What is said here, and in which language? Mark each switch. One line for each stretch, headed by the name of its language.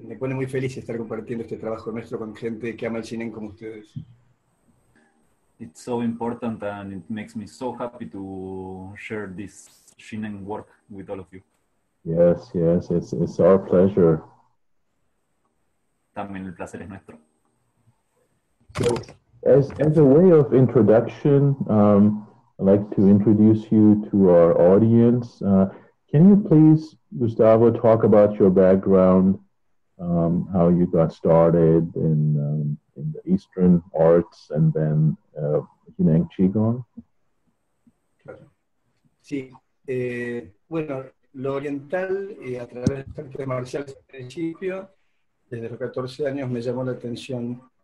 Spanish: Me pone muy feliz estar compartiendo este trabajo nuestro con gente que ama el cine como ustedes.
English: It's so important, and it makes me so happy to share this Shinen work with all of you. Yes, yes, it's our pleasure.
Spanish: También el placer es nuestro.
English: So, as a way of introduction, I'd like to introduce you to our audience. Can you please, Gustavo, talk about your background, how you got started in the Eastern arts and then Jineng Qigong?
Spanish: Sí. Bueno, lo oriental, a través de artes marciales al principio, desde los 14 años me llamó la atención.